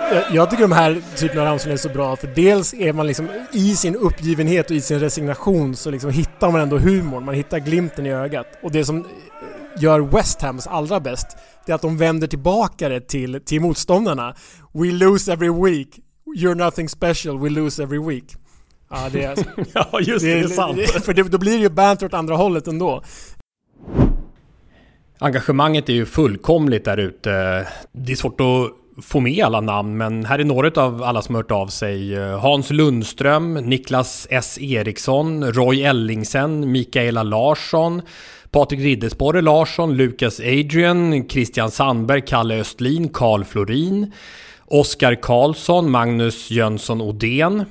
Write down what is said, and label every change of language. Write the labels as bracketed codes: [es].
[sv] Jag tycker de här typen av ramsen är så bra, för dels är man liksom i sin uppgivenhet och i sin resignation så liksom hittar man ändå humor, man hittar glimten i ögat. Och det som gör West Hams allra bäst, det är att de vänder tillbaka det till motståndarna. [en] We lose every week, you're nothing special, we lose every week. [sv] Ja, det är, ja just det, är sant. För det, då blir det ju banter åt andra hållet ändå. Engagemanget är ju fullkomligt där ute. Det är svårt att få med alla namn, men här är några av alla som hört av sig. Hans Lundström, Niklas S. Eriksson, Roy Ellingsen, Mikaela Larsson, Patrik Riddesborre Larsson, Lukas Adrian, Christian Sandberg, Kalle Östlin, Carl Florin, Oskar Karlsson, Magnus Jönsson Odén.